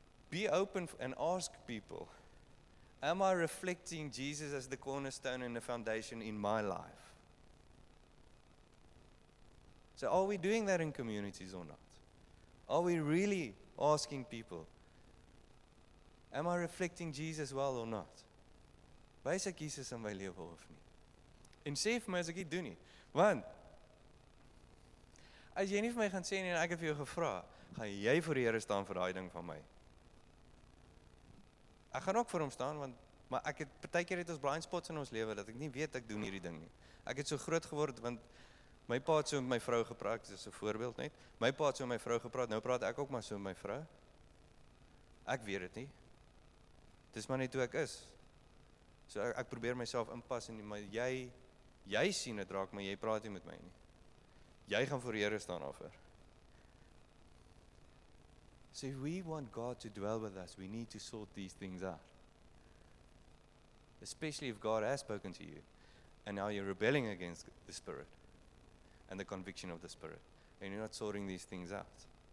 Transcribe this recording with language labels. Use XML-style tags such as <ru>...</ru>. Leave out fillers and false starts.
<en>Be open and ask people, am I reflecting Jesus as the cornerstone and the foundation in my life? So are we doing that in communities or not? Are we really asking people, am I reflecting Jesus well or not?</en> <af>Wys ek Jesus in my lewe of nie? En sê vir my as ek dit doen nie. Want, as jy nie vir my gaan sê nie en ek het vir jou gevra, gaan jy voor die Here staan vir daai ding van my? Ek gaan ook vir hom staan, want, maar ek het, partykeer het ons blind spots in ons lewe, dat ek nie weet ek doen hierdie ding nie. Ek het so groot geword, want, my pa het so met my vrou gepraat, dit is een voorbeeld net. My pa het so met my vrou gepraat, nou praat ek ook maar so met my vrou. Ek weet het nie. Dit is maar net hoe ek is. So ek probeer myself inpas, en, maar jy sien het raak, maar jy praat nie met my nie. Jy gaan voor die Here staan offer.</af> <en>So if we want God to dwell with us, we need to sort these things out. Especially if God has spoken to you, and now you're rebelling against the Spirit. And the conviction of the Spirit. And you're not sorting these things out.</en>